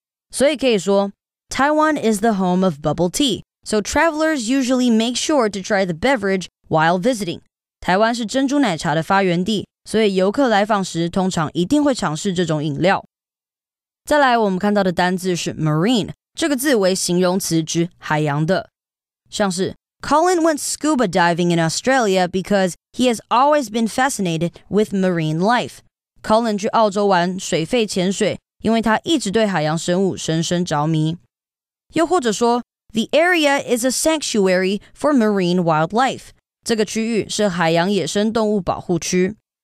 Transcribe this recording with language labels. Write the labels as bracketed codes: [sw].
[zh] 所以可以说 [en] Taiwan is the home of bubble tea, so travelers usually make sure to try the beverage while visiting. [zh] 台湾是珍珠奶茶的发源地，所以游客来访时通常一定会尝试这种饮料。再来我们看到的单字是 marine, 这个字为形容词指海洋的，像是 [en] Colin went scuba diving in Australia because he has always been fascinated with marine life. [zh] Colin 去澳洲玩水肺潜水，因为他一直对海洋生物深深着迷。又或者说 [en] the area is a sanctuary for marine wildlife. [zh] 这个区域是海洋野生动物保护区。